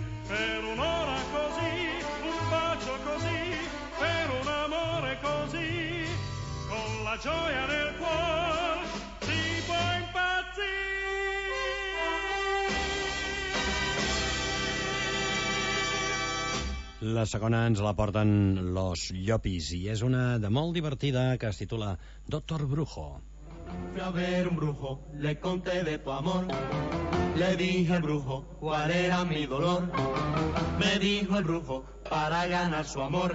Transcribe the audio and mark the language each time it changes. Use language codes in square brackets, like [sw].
[it] Per un'ora così, un bacio così, per un amore così, con la gioia nel cuore, si può impazzire. [ca] La segona ens la porten Los Llopis i és una de molt divertida que es titula Doctor Brujo. [es] Fui a ver un brujo, le conté de tu amor. Le dije al brujo cuál era mi dolor. Me dijo el brujo para ganar su amor.